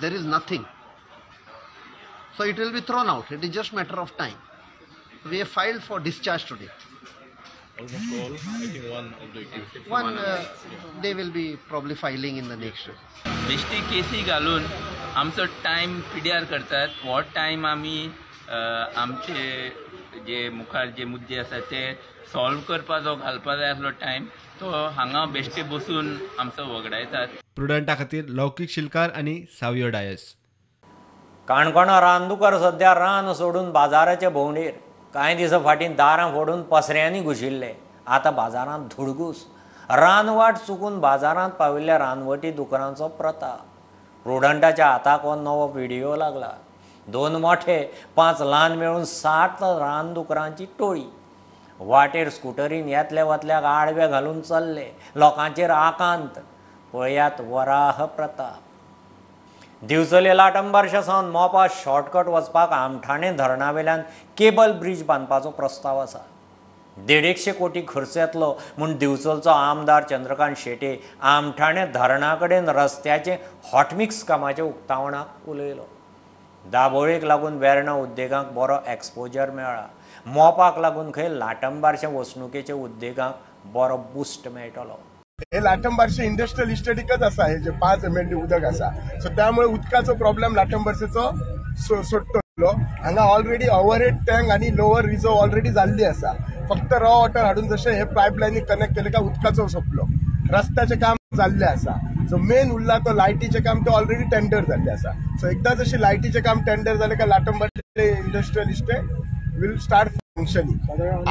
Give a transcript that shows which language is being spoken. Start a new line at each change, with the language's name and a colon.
English: There is nothing, so it will be thrown out. It is just matter of time. We have filed for discharge today. Almost all, I think one of the case. They will be probably filing in the next week.
Konkani: Bishti KC galun amcho time PDR kartat. What time ami amche je mukhar je mudde asa te solve करपाक जो घालपाक जाय आसलो टायम तो हांगा बेश्टे बसून आमचो वगडायतात. प्रुडंटा खातीर लौकीक शिलकार आनी सावयो डायस. काणकोणा रानदुकर सध्या रान सोडून बाजाराच्या भोंवडेर. कांय दिसा फाटीं दारां फोडून पसऱ्यांनी घुशिल्ले, आतां बाजारांत धुडगूस. रानवाट चुकून बाजारांत पाविल्ल्या रानवटी दुकरांचो प्रताप. प्रुडंटाच्या हाताक हो नवो व्हिडियो लागला. दोन मोठे पांच ल्हान मेळून 60 रानदुकरांची टोळी. वाटेर स्कूटरीन येतल्या वतल्याक आडवे घालून चल्ले. लोकांचेर आकांत. पळयात वराह प्रताप. दिवचले लाटंबरशा सावन मोपा शॉर्टकट वचपाक आमठाणे धरणा वेल्यान केबल ब्रिज बांदपाचो प्रस्ताव आसा. 150 कोटी खर्च येतलो म्हूण दिवचलचो आमदार चंद्रकांत शेटे आमठाणे धरणा कडेन रस्त्याचे हॉटमिक्स कामाचे उक्तावणाक उलयलो. दाबोळेक लागून वेर्णा उद्देगांक बरो एक्सपोजर मेळ्ळा. मोपाक लागून खंय लाटंबारशे वसणुकेचे उद्देगांक बरो बुस्ट मेळटलो. हे लाटंबारशे इंडस्ट्रियल इस्टेटीकच आसा. हे जे 5 MLD उदक आसा, सो त्यामुळे उदकाचो प्रॉब्लेम लाटंबारशेचो सोडटलो. हांगा ऑलरेडी ओव्हरहेड टँक आणि लोअर रिझर्व ऑलरेडी झाली आसा. फक्त रॉ वॉटर हाडून जसे हे पाईपलाईन कनेक्ट केले का उदकाचो सोपलो. रस्त्याचे काम झाले आसा. सो मेन उरला तो लायटीचे काम, ते ऑलरेडी टेंडर झाले आसा. सो एकदा जसे लायटीचे काम टेंडर झाले का लाटंबारशे industrial estate
English: Will start functioning.